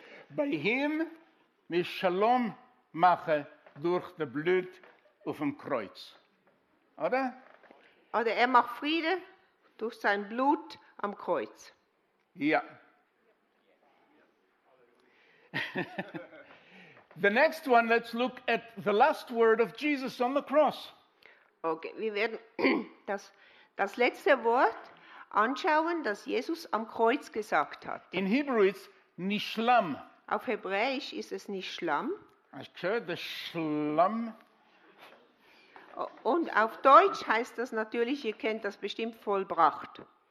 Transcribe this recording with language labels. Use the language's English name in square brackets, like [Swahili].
[German] bei ihm mit Shalom mache durch das Blut auf dem Kreuz. Oder? Oder er macht Friede durch sein Blut am Kreuz. Ja. [English] The next one, let's look at the last word of Jesus on the cross. [German] Okay, wir werden das letzte Wort anschauen, das Jesus am Kreuz gesagt hat. [English] In Hebrew it's Nishlam. [German] Auf Hebräisch ist es Nishlam. [English] Okay, the Shlam. [German] Und auf Deutsch heißt das natürlich, ihr kennt das bestimmt, vollbracht.